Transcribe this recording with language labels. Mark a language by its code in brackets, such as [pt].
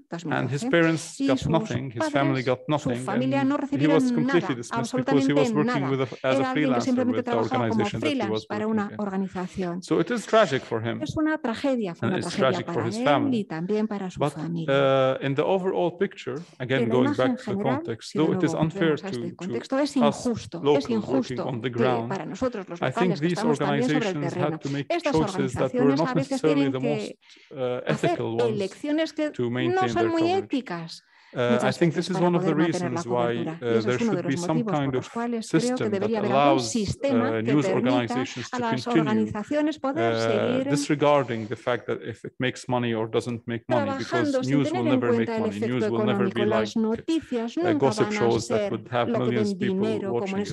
[en] and his parents got nothing, his family got nothing, and he was completely dismissed because he was working as a freelancer with the organization that he was working in. So it is tragic for him, and it's tragic for his family. But in the overall picture, again going back to the context, though it is unfair to us, [es] es injusto [en] on the ground, [es] que para nosotros los locales que estamos también sobre el terreno, estas organizaciones a veces tienen que hacer elecciones que no son muy [en] coverage. [es] Éticas. [en] I think this is one of the reasons why there should be some kind of system that allows news organizations to continue disregarding the fact that if it makes money or doesn't make money, because news will never make money. News will never be like gossip shows that would have millions of people watching it.